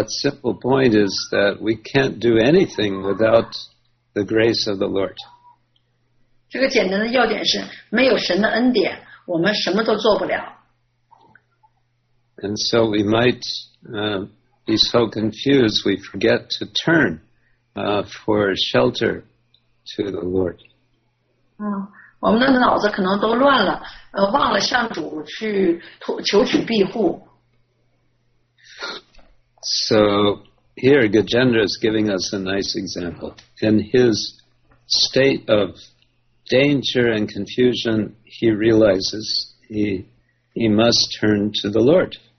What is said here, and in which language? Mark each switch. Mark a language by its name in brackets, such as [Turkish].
[English] that simple point is that we can't do anything without the grace of the Lord. [Chinese] 这个简单的要点是，没有神的恩典，我们什么都做不了。 [English] And so we might be so confused we forget to turn for shelter to the Lord. [Chinese] 我们的脑子可能都乱了，忘了向主去求取庇护。 [English] So here Gajendra is giving us a nice example. In his state of danger and confusion, he realizes he must turn to the Lord.